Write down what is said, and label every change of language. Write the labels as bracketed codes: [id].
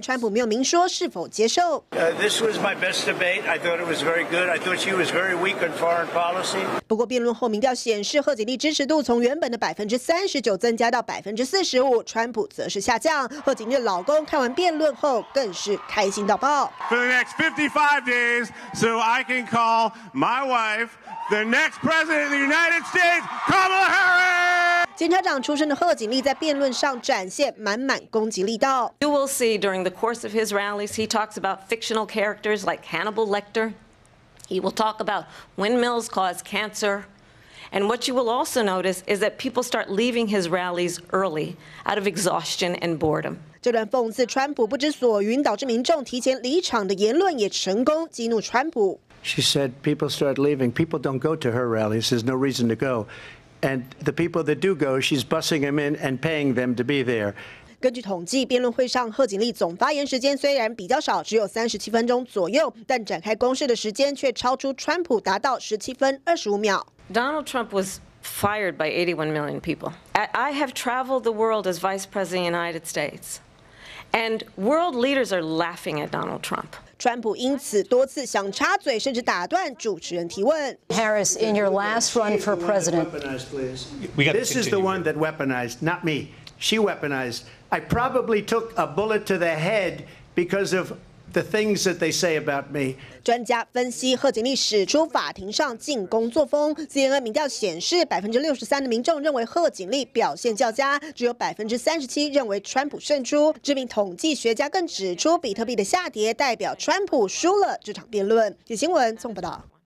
[zh] 川普没有明说是否接受。 [en] This was my best debate. I thought it was very good. I thought she was very weak on foreign policy. [zh] 不过辩论后民调显示，贺锦丽支持度从原本的39%增加到45%，川普则是下降。贺锦丽的老公看完辩论后更是开心到爆。 [en] For the next 55 days, so I can call my wife, the next president of the United States, Kamala Harris! [zh] 检察长出身的贺锦丽在辩论上展现满满攻击力道。 [en] You will see during the course of his rallies, he talks about fictional characters like Hannibal Lecter. He will talk about windmills cause cancer. And what you will also notice is that people start leaving his rallies early out of exhaustion and boredom. [zh] 这段讽刺川普不知所云，导致民众提前离场的言论也成功激怒川普。 [en] She said people start leaving. People don't go to her rallies. There's no reason to go. And the people that do go, she's busing them in and paying them to be there. [zh] 根据统计，辩论会上贺锦丽总发言时间虽然比较少，只有37分钟左右，但展开攻势的时间却超出川普，达到17分25秒。 [en] Donald Trump was fired by 81 million people. I have traveled the world as Vice President of the United States, and world leaders are laughing at Donald Trump. [zh] 川普因此多次想插嘴，甚至打断主持人提问。 [en] Harris, in your last run for president, this is the one that weaponized, not me. She weaponized. I probably took a bullet to the head because of the things that they say about me. [zh] 专家分析，贺锦丽使出法庭上进攻作风。 CNN 民调显示，63%的民众认为贺锦丽表现较佳，只有37%认为川普胜出。知名统计学家更指出，比特币的下跌代表川普输了这场辩论。李新闻综合报道。